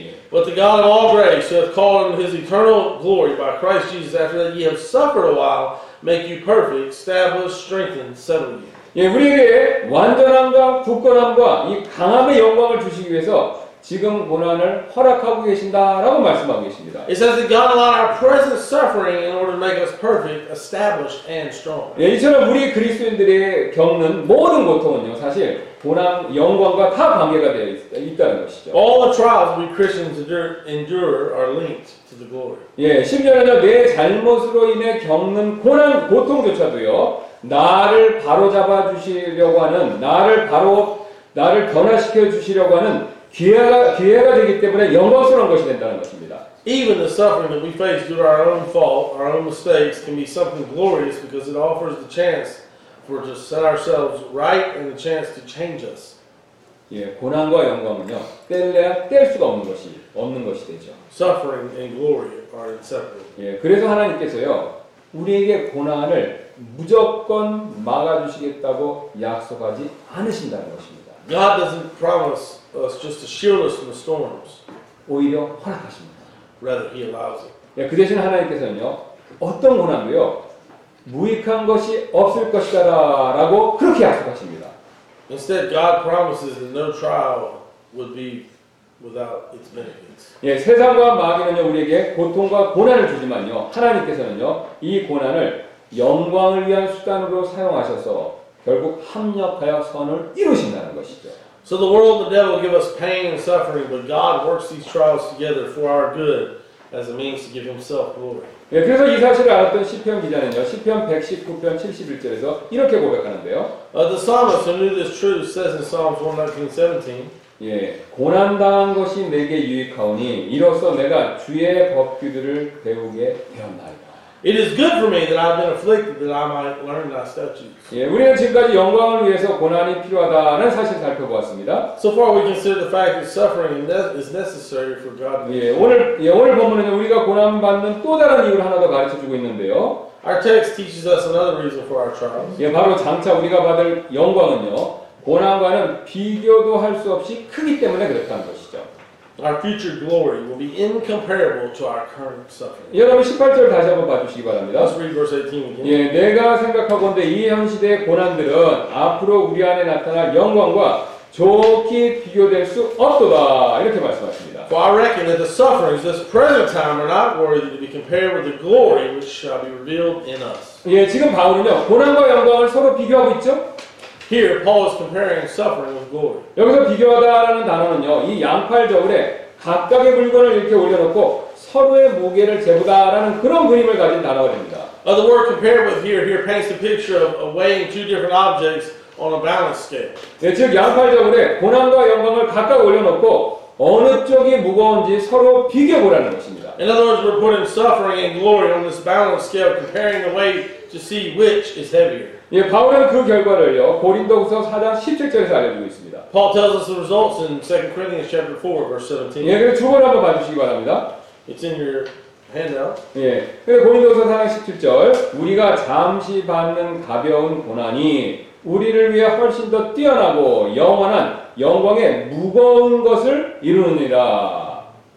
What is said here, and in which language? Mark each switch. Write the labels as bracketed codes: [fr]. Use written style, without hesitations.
[en] But the God of all grace, who hath called in his eternal glory by Christ Jesus, after that ye have suffered a while, make you perfect, establish, strengthen, settle you. [ko] 예, 우리에게 완전함과 굳건함과 이 강함의 영광을 주시기 위해서 지금 고난을 허락하고 계신다라고 말씀하고 계십니다. [en] It says that God allowed our present suffering in order to make us perfect, established, and strong. [ko] 예, 이처럼 우리 그리스도인들이 겪는 모든 고통은요, 사실 고난, 영광과 다 관계가 되어 있다는 것이죠. [en] All the trials we Christians endure are linked to the glory. [ko] 예, 심지어는 내 잘못으로 인해 겪는 고난, 고통조차도요. 나를 바로 잡아 주시려고 하는 나를 변화시켜 주시려고 하는 기회가 되기 때문에 영광스러운 것이 된다는 것입니다. [en] Even the suffering that we face due to our own fault, our own mistakes, can be something glorious because it offers the chance for to set ourselves right and the chance to change us. [ko] 예, 고난과 영광은요 뗄 수가 없는 것이 되죠. [en] Suffering and glory are inseparable. [ko] 예, 그래서 하나님께서요 우리에게 고난을 무조건 막아주시겠다고 약속하지 않으신다는 것입니다. [en] God doesn't promise us just to shield us from the storms. [ko] 오히려 허락하십니다. [en] Rather, He allows it. [ko] 예, 그 대신 하나님께서는요, 어떤 고난도요, 무익한 것이 없을 것이다라고 그렇게 약속하십니다. [en] Instead, God promises that no trial would be without its benefits. [ko] 예, 세상과 마귀는요, 우리에게 고통과 고난을 주지만요, 하나님께서는요, 이 고난을 영광을 위한 수단으로 사용하셔서 결국 합력하여 선을 이루신다는 것이죠. [en] So the world and the devil give us pain and suffering, but God works these trials together for our good as a means to give himself glory. [ko] 예, 그래서 이 사실을 알았던 시편 기자는요, 시편 119편 71절에서 이렇게 고백하는데요. [en] The psalmist who knew this truth says in Psalms 119:17, [ko] 예, 고난당한 것이 내게 유익하오니 이로써 내가 주의 법규들을 배우게 되었나이다. [en] It is good for me that I've been afflicted, that I might learn thy statutes. [ko] 예, 우리는 지금까지 영광을 위해서 고난이 필요하다는 사실 살펴보았습니다. [en] So far we consider the fact that suffering is necessary for God's [ko] glory. 예, 오늘 본문은 우리가 고난 받는 또 다른 이유를 하나 더 가르쳐 주고 있는데요. [en] Our text teaches us another reason for our trials. [ko] 예, 바로 장차 우리가 받을 영광은요, 고난과는 비교도 할 수 없이 크기 때문에 그렇다는 것이죠. [en] Our future glory will be incomparable to our current suffering. [ko] 여러분 18절 다시 한번 봐주시기 바랍니다. [en] Let's read verse 18 again. [ko] 예, 내가 생각하건대 이 현 시대의 고난들은 앞으로 우리 안에 나타날 영광과 좋게 비교될 수 없도다. 이렇게 말씀하십니다. [en] For I reckon that the sufferings this present time are not worthy to be compared with the glory which shall be revealed in us. [ko] 예, 지금 바울은요 고난과 영광을 서로 비교하고 있죠. [en] Here, Paul is comparing suffering with glory. [ko] 여기서 비교하다라는 단어는요, 이 양팔 저울에 각각의 물건을 이렇게 올려놓고 서로의 무게를 재보다라는 그런 그림을 가진 단어입니다. [en] The word compared with here paints the picture of weighing two different objects on a balance scale. [ko] 예, 즉 양팔 저울에 고난과 영광을 각각 올려놓고 어느 쪽이 무거운지 서로 비교해보라는 것입니다. [en] In other words, we're putting suffering and glory on this balance scale, comparing the weight to see which is heavier. [ko] 예, 바울은 그 결과를요 고린도후서 4장 17절에서 알려주고 있습니다. [en] Paul tells us the results in 2 Corinthians chapter 4, verse 17. [ko] 예, 그리고 두 번 한번 봐주시기 바랍니다. [en] It's in your handout. [ko] 예, 그리고 고린도후서 4장 17절, 우리가 잠시 받는 가벼운 고난이 우리를 위해 훨씬 더 뛰어나고 영원한 영광의 무거운 것을 이루느니라.